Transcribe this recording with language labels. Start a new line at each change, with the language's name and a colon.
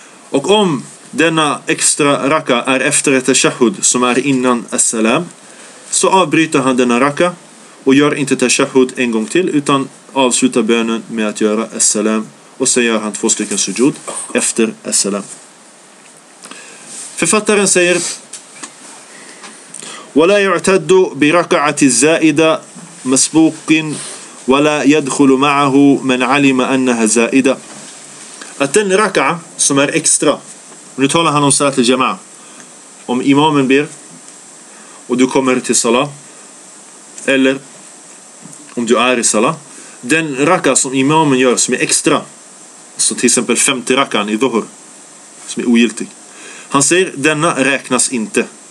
Swedish: Och om denna extra raka är efter ett tashahud som är innan as-salam, så avbryter han denna raka och gör inte tashahud en gång till, utan avslutar bönen med att göra as-salam, och sen gör han två stycken sujud efter as-salam. Författaren säger:
Arabic: وَلَا يُعْتَدُّ بِرَكَعَةِ الزَّائِدَ مَسْبُوقٍ وَلَا يَدْخُلُ مَعَهُ مَنْ عَلِمَ أَنَّهَ زَائِدَ.
Swedish: Att den raka som är extra, nu talar han om salat al-jama'a, om imamen ber och du kommer till salat, eller om du är i salat, den raka som imamen gör som är extra, som till exempel femte rakan i dhuhr som är ogiltig, han säger denna räknas inte.